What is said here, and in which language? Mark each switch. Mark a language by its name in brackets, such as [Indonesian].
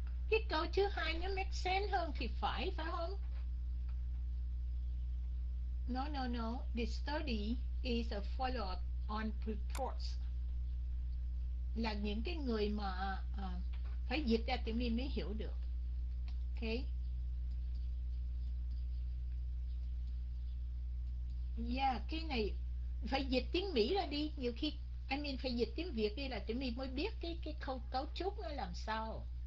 [Vietnamese] Cái câu thứ hai nó make sense hơn thì phải không? [English] No, no, no. This study is a follow-up on reports. [Vietnamese] Là những cái người mà phải dịch ra tiếng Việt mới hiểu được. Okay. Yeah, cái này phải dịch tiếng Mỹ ra đi. Nhiều khi, I mean, phải dịch tiếng Việt đi là tiếng Việt mới biết cái câu cấu trúc nó làm sao.